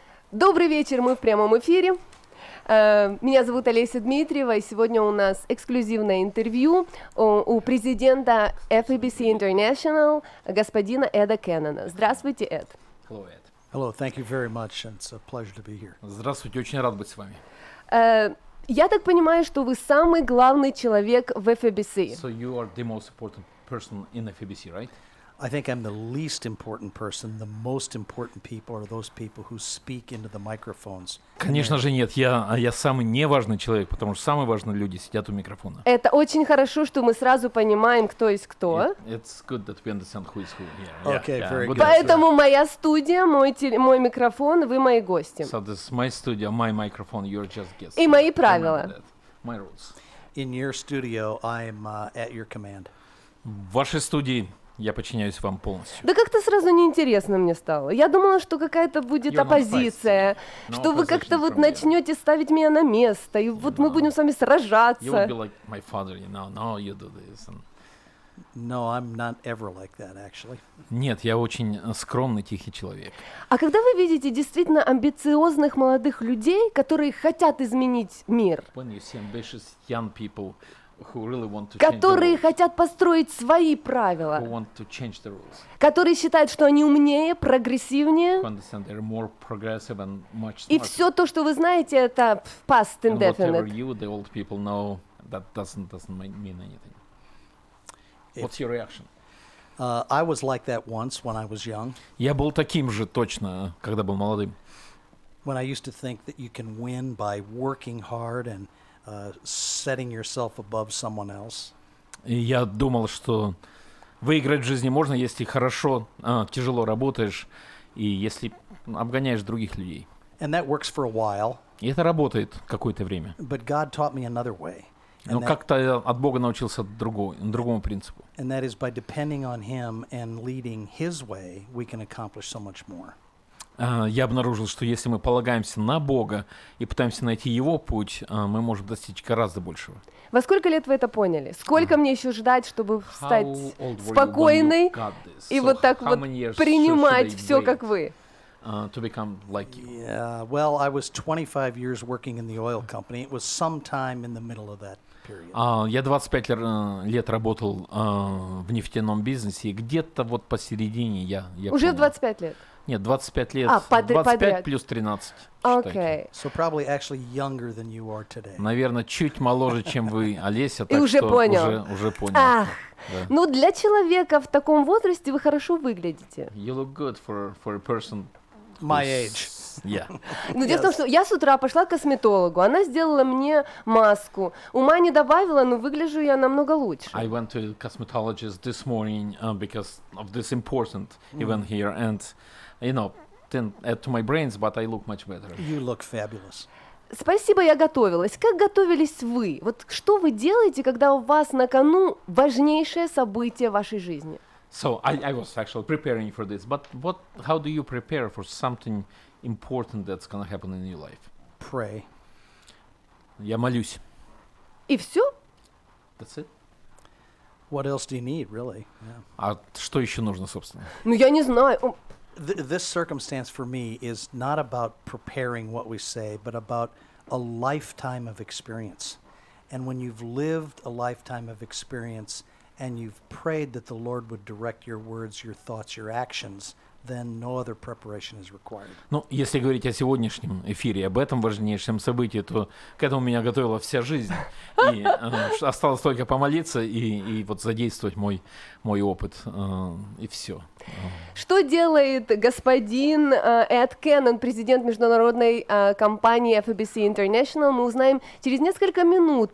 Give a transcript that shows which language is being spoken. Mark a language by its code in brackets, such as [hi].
[ru] Добрый вечер, мы в прямом эфире. Меня зовут Олеся Дмитриева, и сегодня у нас эксклюзивное интервью у президента FABC International, господина Эда Кеннона. Здравствуйте, Эд. [en] Hello, Ed. Hello, thank you very much, and it's a pleasure to be here. [ru] Здравствуйте, очень рад быть с вами. Я так понимаю, что вы самый главный человек в FABC. [en] So you are the most important person in FABC, right? I think I'm the least important person. The most important people are those people who speak into the microphones. [ru] Конечно же нет. Я самый неважный человек, потому что самые важные люди сидят у микрофона. Это очень хорошо, что мы сразу понимаем, кто есть кто. [en] It's good that we understand who is who. Yeah. Okay, yeah. Very good. [ru] Поэтому моя студия, мой микрофон, вы мои гости. [en] So this is my studio, my microphone, you're just guests. [ru] И мои правила. [en] My rules. In your studio, I'm at your command. [ru] В вашей студии я подчиняюсь вам полностью. Да как-то сразу неинтересно мне стало. Я думала, что какая-то будет оппозиция, что вы как-то вот начнете ставить меня на место, и вот мы будем с вами сражаться. [en] You will be like my father, you know, no, you do this. And... No, I'm not ever like that, actually. [ru] Нет, я очень скромный, тихий человек. А когда вы видите действительно амбициозных молодых людей, которые хотят изменить мир? [en] When you see ambitious young people... Who really want to [ru] которые хотят построить свои правила, [en] who want to change the rules. [ru] Которые считают, что они умнее, прогрессивнее, [en] who understand they're more progressive and much smarter. [ru] И все то, что вы знаете, это past indefinite. [en] And whatever you, the old people know, that doesn't mean anything. What's your reaction? I was like that once when I was young. [ru] Я был таким же точно, когда был молодым. [en] When I used to think that you can win by working hard and setting yourself above someone else. [ru] И я думал, что выиграть в жизни можно, если хорошо, тяжело работаешь и если обгоняешь других людей. [en] And that works for a while. [ru] И это работает какое-то время. [en] But God taught me another way. [ru] Но как-то я от Бога научился другому принципу. [en] And that is by depending on Him and leading His way, we can accomplish so much more. [ru] Я обнаружил, что если мы полагаемся на Бога и пытаемся найти Его путь, мы можем достичь гораздо большего. Во сколько лет вы это поняли? Сколько мне еще ждать, чтобы стать спокойной и [en] so [ru] вот так вот принимать все, как вы? [en] To become like you. Yeah, well, I was 25 years working in the oil company. It was sometime in the middle of that period. [ru] Я 25 лет работал в нефтяном бизнесе, и где-то вот посередине я понял. Уже 25 лет? Нет, 25 лет. А, 25 плюс 13. [en] Okay. So probably actually younger than you are today. [ru] Наверное, чуть моложе, чем вы, Олеся, так и уже что понял. Уже понял. Ах, да. Ну для человека в таком возрасте вы хорошо выглядите. [en] You look good for a person my age. Yeah. [ru] Ну, дело в том, что я с утра пошла к косметологу, она сделала мне маску. Ума не добавила, но выгляжу я намного лучше. [en] I went to a cosmetologist this morning because of this important event here, and you know, didn't add to my brains, but I look much better. You look fabulous. [ru] Спасибо, я готовилась. Как готовились вы? Вот что вы делаете, когда у вас на кону важнейшее событие в вашей жизни? [en] So I was actually preparing for this, but what? How do you prepare for something important that's gonna happen in your life? Pray. [ru] Я молюсь. И все? [en] That's it. What else do you need, really? [ru] Yeah. А что еще нужно, собственно? Ну я не знаю. [en] This circumstance for me is not about preparing what we say, but about a lifetime of experience. And when you've lived a lifetime of experience and you've prayed that the Lord would direct your words, your thoughts, your actions, then no other preparation is required. [ru] Ну, если говорить о сегодняшнем эфире, об этом важнейшем событии, то к этому меня готовила вся жизнь. И осталось только помолиться и вот задействовать мой опыт, и все. Что делает господин Эд Кеннон, президент международной компании FABC International, мы узнаем через несколько минут.